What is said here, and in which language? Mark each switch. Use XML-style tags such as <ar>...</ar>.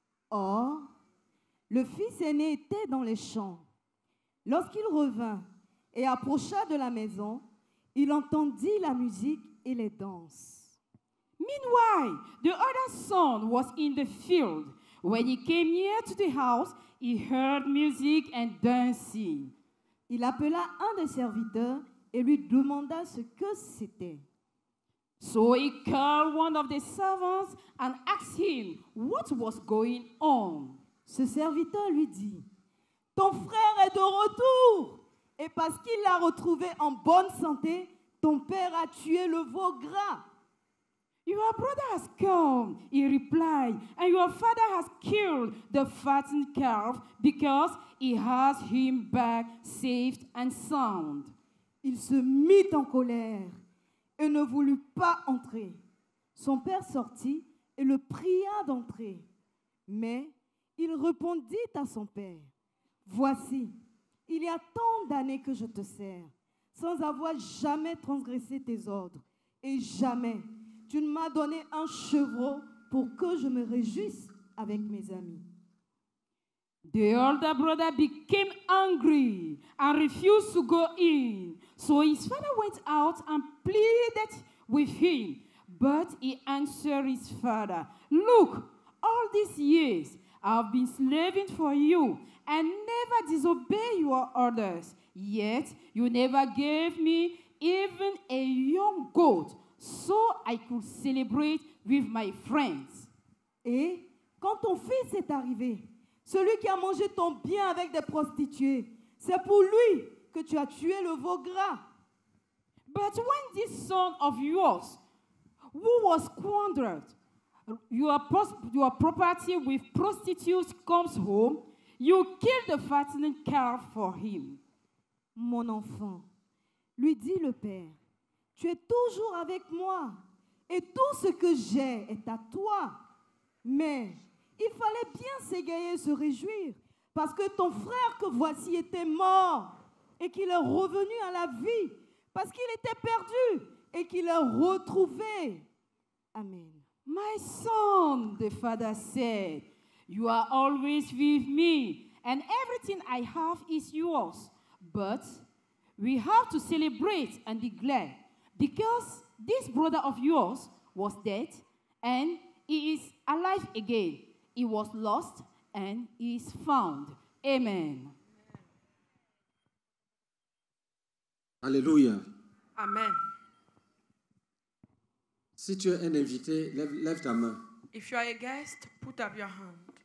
<fr>Or, le fils aîné était dans les champs. Lorsqu'il revint et approcha de la maison, il entendit la musique et les danses.</fr> <en>Meanwhile, the other son was in the field. When he came near to the house, he heard music and dancing.</en> <fr>Il appela un des serviteurs et lui demanda ce que c'était.</fr> <en>So he called one of the servants and asked him what was going on.</en> <fr>Ce serviteur lui dit, ton frère est de retour. Et parce qu'il l'a retrouvé en bonne santé, ton père a tué le veau gras.</fr> <en>Your brother has come, he replied, and your father has killed the fattened calf because he has him back safe and sound.</en> <fr>Il se mit en colère et ne voulut pas entrer. Son père sortit et le pria d'entrer. Mais il répondit à son père, voici, il y a tant d'années que je te sers, sans avoir jamais transgressé tes ordres, et jamais tu ne m'as donné un chevreau pour que je me réjouisse avec mes amis.</fr> <en>The older brother became angry and refused to go in. So his father went out and pleaded with him. But he answered his father, look, all these years I've been slaving for you and never disobeyed your orders. Yet you never gave me even a young goat so I could celebrate with my friends.</en> <fr>Et quand ton fils est arrivé, celui qui a mangé ton bien avec des prostituées, c'est pour lui que tu as tué le veau gras.</fr> <en>But when this son of yours, who was squandered your property with prostitutes, comes home, you kill the fattened calf for him.</en> <fr>Mon enfant, lui dit le père, tu es toujours avec moi et tout ce que j'ai est à toi. Mais il fallait bien s'égayer, se réjouir, parce que ton frère que voici était mort et qu'il est revenu à la vie, parce qu'il était perdu et qu'il est retrouvé. Amen.</fr> <en>My son, the father said, you are always with me and everything I have is yours. But we have to celebrate and be glad, because this brother of yours was dead and he is alive again. He was lost and he is found. Amen.</en> <fr>Alléluia. Amen. Si tu es un invité, lève ta main.</fr> <en>If you are a guest, put up your hand.</en>